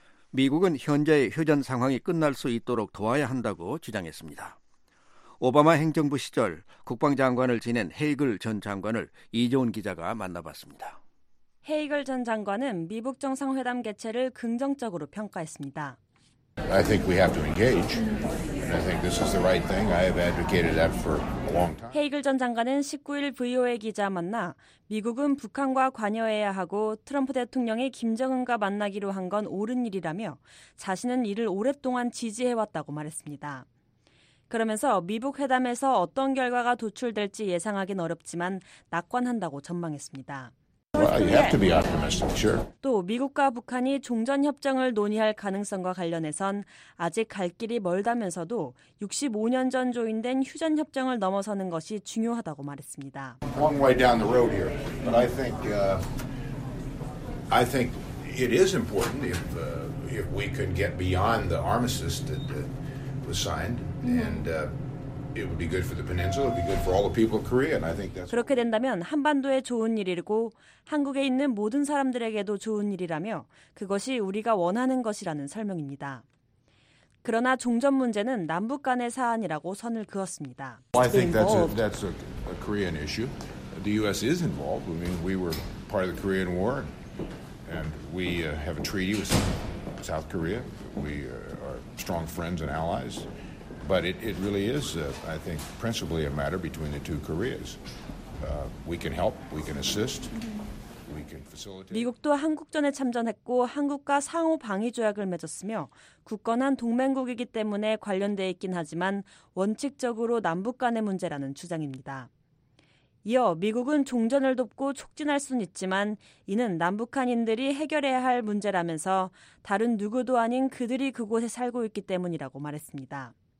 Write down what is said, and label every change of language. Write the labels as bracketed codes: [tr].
[ko] 미국은 현재의 휴전 상황이 끝날 수 있도록 도와야 한다고 주장했습니다. 오바마 행정부 시절 국방장관을 지낸 헤이글 전 장관을 이종훈 기자가 만나봤습니다. 헤이글 전 장관은 미북 정상회담 개최를 긍정적으로 평가했습니다. [en] I think we have to engage. And I think this is the right thing. I have advocated that for a long time. [ko] 헤이글 전 장관은 19일 VOA 기자 만나 미국은 북한과 관여해야 하고 트럼프 대통령이 김정은과 만나기로 한 건 옳은 일이라며 자신은 이를 오랫동안 지지해왔다고 말했습니다. 그러면서 미북 회담에서 어떤 결과가 도출될지 예상하긴 어렵지만 낙관한다고 전망했습니다. [en] Well, you have to be optimistic, sure. [ko] 또 미국과 북한이 종전협정을 논의할 가능성과 관련해선 아직 갈 길이 멀다면서도 65년 전 조인된 휴전협정을 넘어서는 것이 중요하다고 말했습니다. [en] Long way down the road here, but I think it is important if we can get beyond the armistice that was signed and. It would be good for the peninsula. It would be good for all the people of Korea, and I think that's. [ko] 그렇게 된다면 한반도에 좋은 일이고 한국에 있는 모든 사람들에게도 좋은 일이라며 그것이 우리가 원하는 것이라는 설명입니다. 그러나 종전 문제는 남북 간의 사안이라고 선을 그었습니다. [en] Well, I think that's a Korean issue. The U.S. is involved. I mean, we were part of the Korean War, and we have a treaty with South Korea. We are strong friends and allies. But it really is, I think, principally a matter between the two Koreas. We can help, we can assist, we can facilitate. [ko] 미국도 한국전에 참전했고 한국과 상호 방위 조약을 맺었으며 굳건한 동맹국이기 때문에 관련돼 있긴 하지만 원칙적으로 남북 간의 문제라는 주장입니다. 이어 미국은 종전을 돕고 촉진할 수는 있지만 이는 남북한인들이 해결해야 할 문제라면서 다른 누구도 아닌 그들이 그곳에 살고 있기 때문이라고 말했습니다.